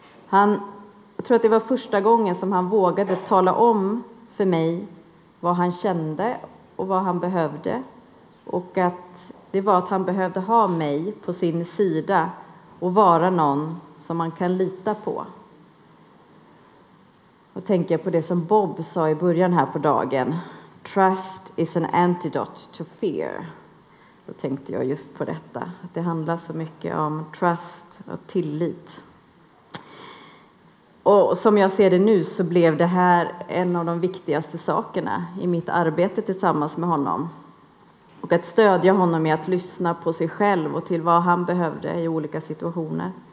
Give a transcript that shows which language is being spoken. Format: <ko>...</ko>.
<sv>Jag tror att det var första gången som han vågade tala om för mig vad han kände och vad han behövde. Och att det var att han behövde ha mig på sin sida och vara någon som man kan lita på. Och tänker jag på det som Bob sa i början här på dagen.</sv> <en>Trust is an antidote to fear.</en> <sv>Då tänkte jag just på detta. Att det handlar så mycket om trust och tillit. Och som jag ser det nu så blev det här en av de viktigaste sakerna i mitt arbete tillsammans med honom. Och att stödja honom i att lyssna på sig själv och till vad han behövde i olika situationer.</sv>